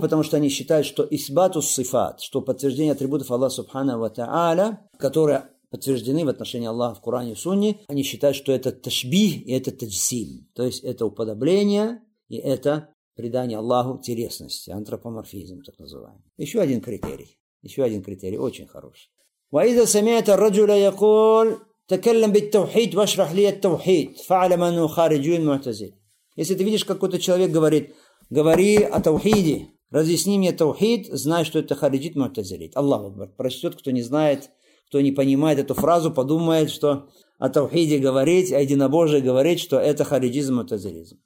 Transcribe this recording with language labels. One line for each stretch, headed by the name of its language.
Russian: Потому что они считают, что исбатус сифат, что подтверждение атрибутов Аллаха Субхана ва Тааля, которые подтверждены в отношении Аллаха в Коране и Сунне, они считают, что это ташбих и это таджсим. То есть это уподобление и это придание Аллаху телесности, антропоморфизм так называемый. Еще один критерий. Еще один критерий, очень хороший.
Arabic: وإذا سمعت الرجل يقول تكلم بالتوحيد واشرح لي التوحيد فاعلم انه خارجي المعتزل.
Russian: Если ты видишь, какой-то человек говорит: говори о таухиде, разъясни мне таухид, знай, что это хариджит мутазилит. Аллаху акбар. Прочтет, кто не знает, кто не понимает эту фразу, подумает, что о таухиде говорить, о единобожии говорить, что это хариджизм мутазилизм.